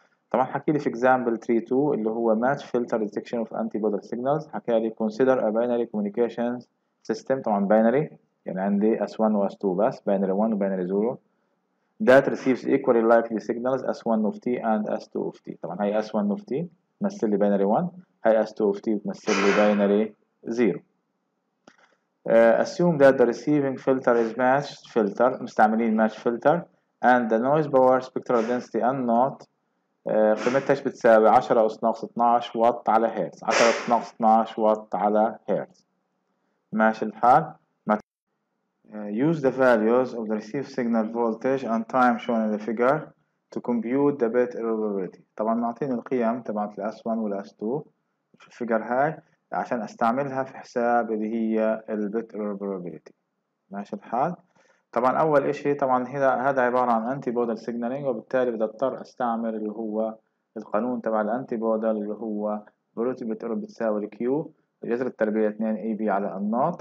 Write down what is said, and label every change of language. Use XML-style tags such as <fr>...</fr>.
<ar>طبعا حكي لي في</ar> <en>example 3.2 اللي هو match filter detection of antipodal signals, حكى لي consider a binary communication system,</en> <ar>طبعا باينري يعني عندي</ar> <en>S 1 واس 2 بس، binary 1 وباينري 0 that receives equally likely signals S1 of T and S2 of T.</en> <ar>طبعا هاي S1 of T بتمثل لي binary 1، هاي S2 of T بتمثل لي binary 0.</ar> <en>Assume that the receiving filter is matched filter،</en> <ar>مستعملين</ar> <en>match filter and the noise power spectral density N naught</en> <ar>قيمتها بتساوي 10 أس ناقص 12 وات على هرتز،</ar> <en>10 أس ناقص 12 وات على هرتز.</en> <ar>ماشي الحال.</ar> <en>Use the values of the received signal voltage and time shown in the figure to compute the bit error probability.</en> <ar>طبعا معطيني القيم تبعت الاس 1 والاس 2 في الفيجر هاي عشان استعملها في حساب اللي هي البيت ايرور probability. ماشي الحال. طبعا اول اشي طبعا هذا عبارة عن انتي بودل سيجنالينج، وبالتالي بدي اضطر استعمل اللي هو القانون تبع الانتي بودل اللي هو probability بيت ايرور بتساوي الكيو جذر التربيع 2 اي بي على ان نوت.</ar>